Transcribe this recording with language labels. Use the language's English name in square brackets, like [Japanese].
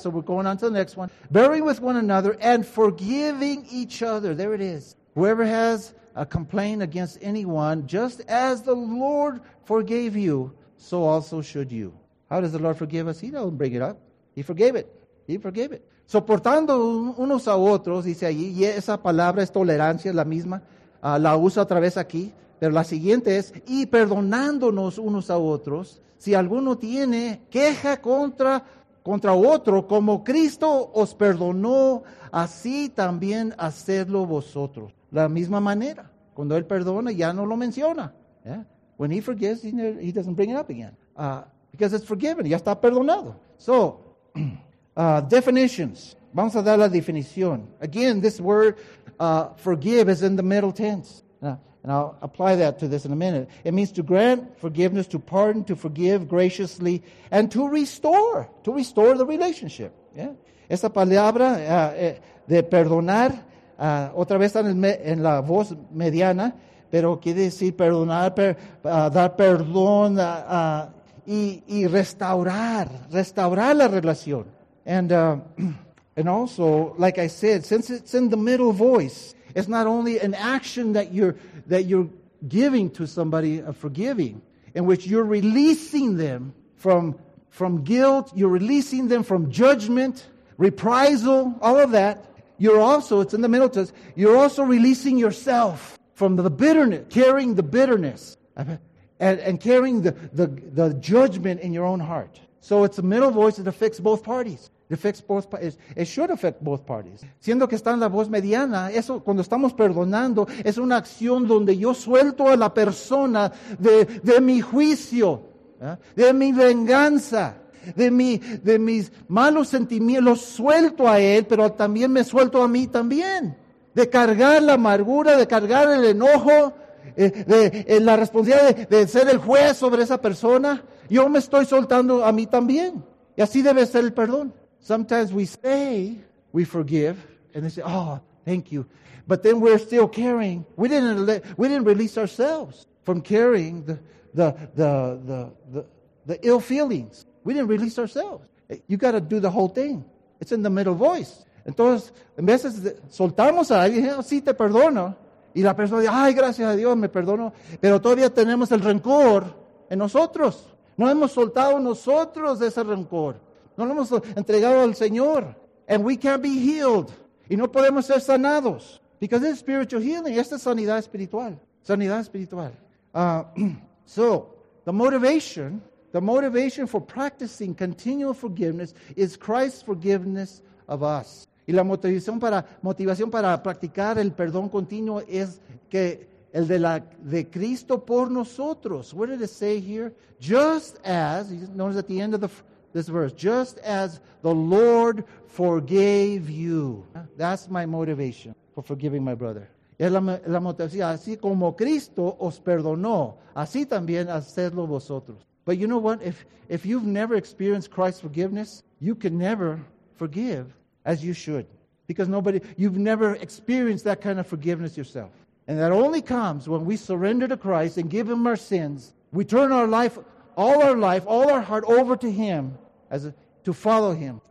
[English] So we're going on to the next one. Bearing with one another and forgiving each other. There it is. Whoever has a complaint against anyone, just as the Lord forgave you, so also should you. How does the Lord forgive us? He don't bring it up. He forgave it. [Spanish] Soportando unos a otros, dice allí, y esa palabra es tolerancia, la misma, la uso otra vez aquí, pero la siguiente es, y perdonándonos unos a otros, si alguno tiene queja contra otro, como Cristo os perdonó, así también hacedlo vosotros. La misma manera, cuando Él perdona, ya no lo menciona. [English] Yeah? When He forgives, He doesn't bring it up again. Because it's forgiven, [Spanish] ya está perdonado. [English] So, definitions. [Spanish] Vamos a dar la definición. [English] Again, this word forgive is in the middle tense. And I'll apply that to this in a minute. It means to grant forgiveness, to pardon, to forgive graciously, and to restore the relationship. Yeah? [Spanish] Esa palabra de perdonar, otra vez está en la voz mediana, pero quiere decir perdonar, dar perdón y restaurar la relación. [English] And also, like I said, since it's in the middle voice, it's not only an action that you're giving to somebody of forgiving, in which you're releasing them from guilt, you're releasing them from judgment, reprisal, all of that. You're also, it's in the middle tense, you're also releasing yourself from the bitterness, carrying the bitterness, and carrying the judgment in your own heart. So it's a middle voice that affects both parties. It should affect both parties. [Spanish] Siendo que está en la voz mediana, eso cuando estamos perdonando, es una acción donde yo suelto a la persona de mi juicio, de mi venganza, de mis malos sentimientos, los suelto a él, pero también me suelto a mí también. De cargar la amargura, de cargar el enojo, de la responsabilidad de ser el juez sobre esa persona, yo me estoy soltando a mí también. Y así debe ser el perdón. [English] Sometimes we say we forgive, and they say, oh, thank you. But then we're still carrying. We didn't release ourselves from carrying the ill feelings. We didn't release ourselves. You got to do the whole thing. It's in the middle voice. [Spanish] Entonces, en veces soltamos a alguien, oh, sí, te perdono. Y la persona dice, ay, gracias a Dios, me perdono. Pero todavía tenemos el rencor en nosotros. No hemos soltado nosotros ese rencor. No lo hemos entregado al Señor. [English] And we can't be healed. [Spanish] Y no podemos ser sanados. [English] Because it's spiritual healing. [Spanish] Esta es sanidad espiritual. Sanidad espiritual. [English] So, the motivation for practicing continual forgiveness is Christ's forgiveness of us. [Spanish] Y la motivación para practicar el perdón continuo es que el de Cristo por nosotros. [English] What did it say here? Just as, notice at the end of this verse, just as the Lord forgave you. That's my motivation for forgiving my brother. [Spanish] Es la motivación, así como Cristo os perdonó, así también hacedlo vosotros. [English] But you know what? If you've never experienced Christ's forgiveness, you can never forgive as you should. Because you've never experienced that kind of forgiveness yourself. And that only comes when we surrender to Christ and give Him our sins. We turn our life, all our heart over to Him to follow Him.